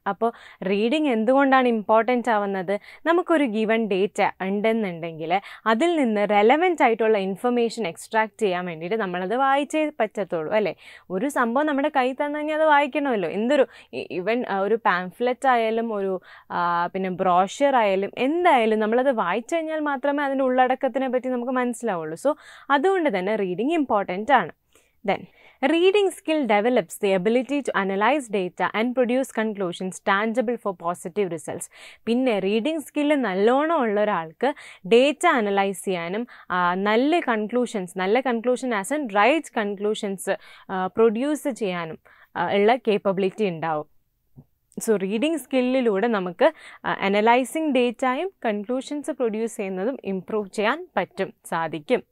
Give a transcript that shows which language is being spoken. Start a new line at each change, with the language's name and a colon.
Malayalam: അപ്പോൾ റീഡിങ് എന്തുകൊണ്ടാണ് ഇമ്പോർട്ടൻ്റ് ആവുന്നത്? നമുക്കൊരു ഗിവൺ ഡേറ്റ ഉണ്ടെന്നുണ്ടെങ്കിൽ അതിൽ നിന്ന് റെലവൻ്റ് ആയിട്ടുള്ള ഇൻഫർമേഷൻ എക്സ്ട്രാക്ട് ചെയ്യാൻ വേണ്ടിയിട്ട് നമ്മളത് വായിച്ചേ പറ്റത്തുള്ളൂ അല്ലേ. ഒരു സംഭവം നമ്മുടെ കയ്യിൽ തന്നു കഴിഞ്ഞാൽ അത് വായിക്കണമല്ലോ. എന്തൊരു ഇവൻ ഒരു പാംഫ്ലെറ്റ് ആയാലും ഒരു പിന്നെ ബ്രോഷർ ആയാലും എന്തായാലും നമ്മളത് വായിച്ചു കഴിഞ്ഞാൽ മാത്രമേ അതിൻ്റെ ഉള്ളടക്കത്തിനെ പറ്റി നമുക്ക് മനസ്സിലാവുള്ളൂ. സോ അതുകൊണ്ട് തന്നെ റീഡിങ് ഇമ്പോർട്ടൻ്റ് ആണ്.
English: Then, reading skill develops the ability to analyze data and produce conclusions tangible for positive results.
Malayalam: പിന്നെ reading skill നല്ലോണം ഉള്ള ഒരാൾക്ക് ഡേറ്റ അനലൈസ് ചെയ്യാനും നല്ല കൺക്ലൂഷൻസ് നല്ല conclusion as an right conclusions produce ചെയ്യാനും ഉള്ള കേപ്പബിലിറ്റി ഉണ്ടാവും. സോ റീഡിങ് സ്കില്ലിലൂടെ നമുക്ക് അനലൈസിങ് ഡേറ്റയും കൺക്ലൂഷൻസ് പ്രൊഡ്യൂസ് ചെയ്യുന്നതും ഇമ്പ്രൂവ് ചെയ്യാൻ പറ്റും, സാധിക്കും.